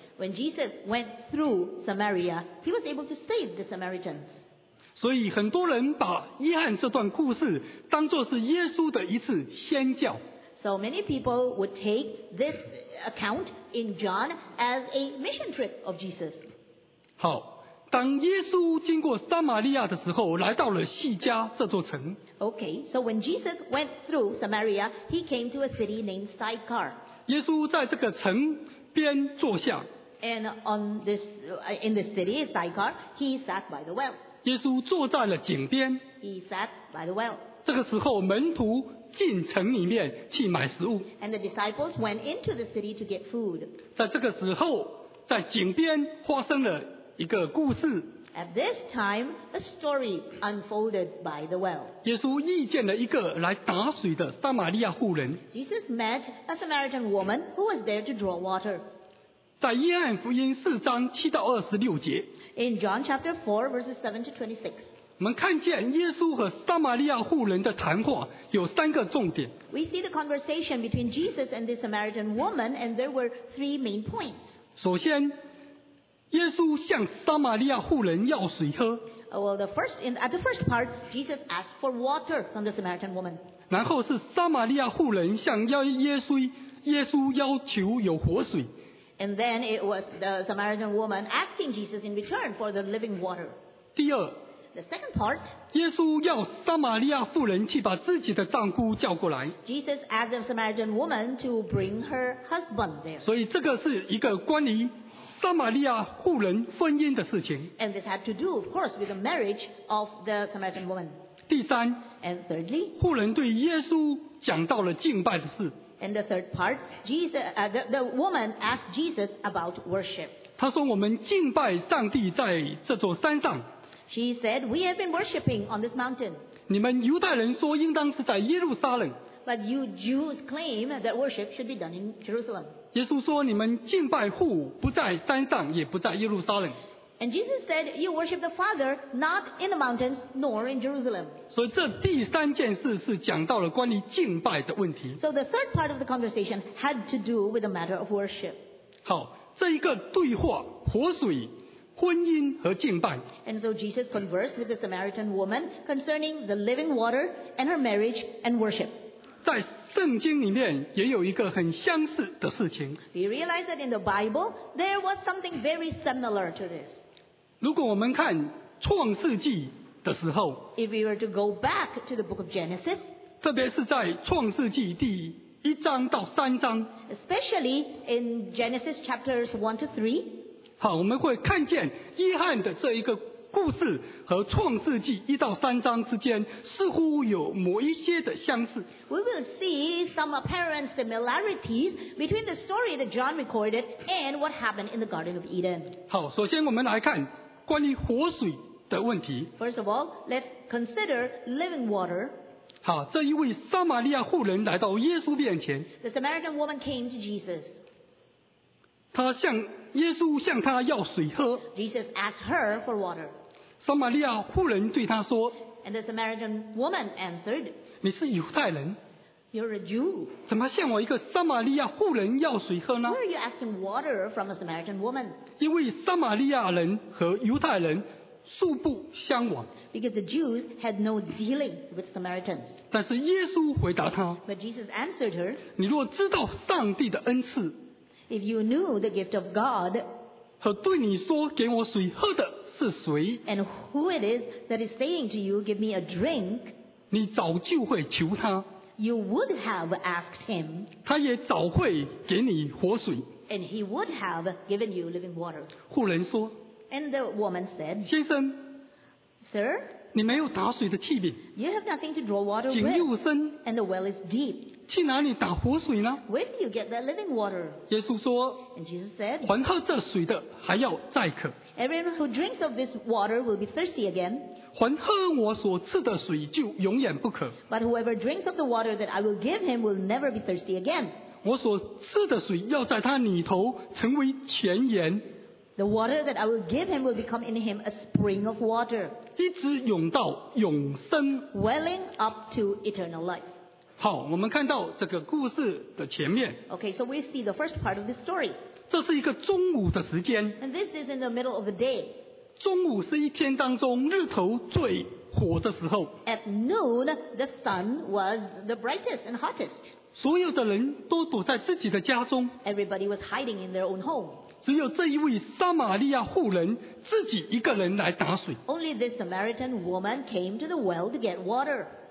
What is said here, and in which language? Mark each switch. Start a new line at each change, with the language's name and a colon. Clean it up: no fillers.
English: When Jesus went through Samaria, he was able to save the Samaritans.
Chinese: 所以很多人把约翰这段故事当作是耶稣的一次宣教。
English: So many people would take this account in John as a mission trip of Jesus.
Chinese: 好，当耶稣经过撒玛利亚的时候，来到了细加这座城。
English: Okay, so when Jesus went through Samaria, he came to a city named Sychar.
Chinese: 耶稣在这个城边坐下。
English: And on this, in the city Sychar, he sat by the well.
Chinese: 耶稣坐在了井边。
English: He sat by the well.
Chinese: 这个时候，门徒进城里面去买食物。
English: And the disciples went into the city to get food.
Chinese: 在这个时候，在井边发生了一个故事。
English: At this time, a story unfolded by the well.
Chinese: 耶稣遇见了一个来打水的撒玛利亚妇人。
English: Jesus met a Samaritan woman who was there to draw water.
Chinese: 在约翰福音四章七到二十六节。
English: In John chapter 4, verses 7 to 26.
Chinese: 我们看见耶稣和撒玛利亚妇人的谈话有三个重点。
English: We see the conversation between Jesus and this Samaritan woman, and there were three main points.
Chinese: 首先，耶稣向撒玛利亚妇人要水喝。
English: Well, at the first part, Jesus asked for water from the Samaritan woman.
Chinese: 然后是撒玛利亚妇人向耶稣要求有活水。
English: And then it was the Samaritan woman asking Jesus in return for the living water.
Chinese: 第二。
English: The second part,
Chinese: 耶稣要撒玛利亚妇人去把自己的丈夫叫过来。
English: Jesus asked the Samaritan woman to bring her husband there.
Chinese: 所以这个是一个关于撒玛利亚妇人婚姻的事情。
English: And this had to do, of course, with the marriage of the Samaritan woman.
Chinese: 第三。
English: And thirdly,
Chinese: 妇人对耶稣讲到了敬拜的事。
English: And the third part, the woman asked Jesus about worship.
Chinese: 她说我们敬拜上帝在这座山上。
English: She said, "We have been worshiping on this mountain."
Chinese: 你们犹太人说应当是在耶路撒冷。
English: But you Jews claim that worship should be done in Jerusalem.
Chinese: 耶稣说你们敬拜父不在山上，也不在耶路撒冷。
English: And Jesus said, "You worship the Father not in the mountains nor in Jerusalem."
Chinese: 所以这第三件事是讲到了关于敬拜的问题。
English: So the third part of the conversation had to do with the matter of worship.
Chinese: 好，这一个对话，活水。婚姻和敬拜。
English: And so Jesus conversed with the Samaritan woman concerning the living water and her marriage and worship.
Chinese: 在圣经里面也有一个很相似的事情。
English: We realize that in the Bible there was something very similar to this.
Chinese: 如果我们看创世纪的时候，
English: If we were to go back to the book of Genesis,
Chinese: 特别是在创世纪第一章到三章，
English: Especially in Genesis chapters 1-3,
Chinese: 好，我们会看见约翰的这一个故事和创世纪一到三章之间似乎有某一些的相似。
English: We will see some apparent similarities between the story that John recorded and what happened in the Garden of Eden.
Chinese: 好，首先我们来看关于活水的问题。
English: First of all, let's consider living water.
Chinese: 好，这一位撒玛利亚妇人来到耶稣面前。
English: The Samaritan woman came to Jesus.
Chinese: 他向耶稣向他要水喝。
English: Jesus asked her for water.
Chinese: 撒玛利亚妇人对他说。
English: And the Samaritan woman answered.
Chinese: 你是犹太人。
English: You're a Jew.
Chinese: 怎么向我一个撒玛利亚妇人要水喝呢？
English: Why are you asking water from a Samaritan woman?
Chinese: 因为撒玛利亚人和犹太人素不相往。
English: Because the Jews had no dealing with Samaritans.
Chinese: 但是耶稣回答他。
English: But Jesus answered her.
Chinese: 你若知道上帝的恩赐。
English: If you knew the gift of God,
Chinese: 和对你说给我水喝的是谁
English: ？And who it is that is saying to you, "Give me a drink"?
Chinese: 你早就会求他。
English: You would have asked him.
Chinese: 他也早会给你活水。
English: And he would have given you living water.
Chinese: 妇人说。
English: And the woman said,
Chinese: 先生
English: ，Sir,
Chinese: 你没有打水的器皿。
English: You have nothing to draw water with.
Chinese: 井又深
English: ，and the well is deep.
Chinese: 去哪里打活水呢
English: ？Where do you get that living water？
Chinese: 耶稣说
English: ，And Jesus said，
Chinese: 凡喝这水的还要再渴。
English: Everyone who drinks of this water will be thirsty again。
Chinese: 凡喝我所赐的水就永远不渴。
English: But whoever drinks of the water that I will give him will never be thirsty again。
Chinese: 我所赐的水要在他里头成为泉源。
English: The water that I will give him will become in him a spring of water。
Chinese: 一直涌到永生。
English: Welling up to eternal life。
Chinese: 好，我们看到这个故事的前面。
English: Okay, so we see the first part of the story.
Chinese: 这是一个中午的时间。
English: And this is in the middle of the day.
Chinese: 中午是一天当中日头最火的时候。
English: At noon, the sun was the brightest and hottest.
Chinese: 所有的人都躲在自己的家中。
English: Everybody was hiding in their own homes.
Chinese: 只有这一位撒玛利亚妇人自己一个人来打水。 Only this Samaritan woman came to the well to get water.